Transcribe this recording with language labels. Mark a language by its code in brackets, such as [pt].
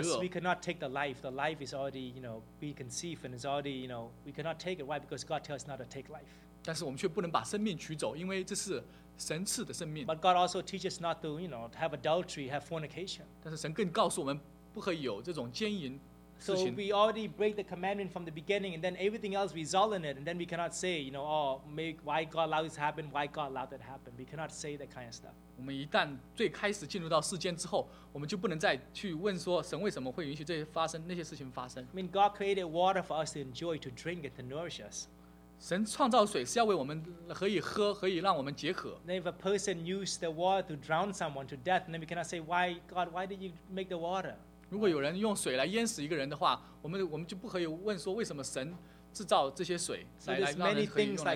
[en] Of course, we cannot take the life. The life is already, you know, be conceived and is already, you know, we cannot take it. Why? Because God tells us not to take life. [zh] 但是我们却不能把生命取走，因为这是。神赐的生命。 [en] But God also teaches not to, you know, have adultery, have fornication. [zh] 但是神更告诉我们不可以有这种奸淫事情。 [en] So we already break the commandment from the beginning, and then everything else results in it, and then we cannot say, you know, oh, make why God allowed this happen, why God allowed that happen. We cannot say that kind of stuff. [zh] 我们一旦最开始进入到世间之后，我们就不能再去问说神为什么会允许这些发生那些事情发生。 [en] I mean, God created water for us to enjoy, to drink, and to nourish us. [zh] 神创造水是要为我们可以喝，可以让我们解渴。 [en] Then if a person used the water to drown someone to death, then we cannot say, why, God, why did you make the water? [zh] 如果有人用水来淹死一个人的话，我们就不可以问说为什么神制造这些水来让人可以用来。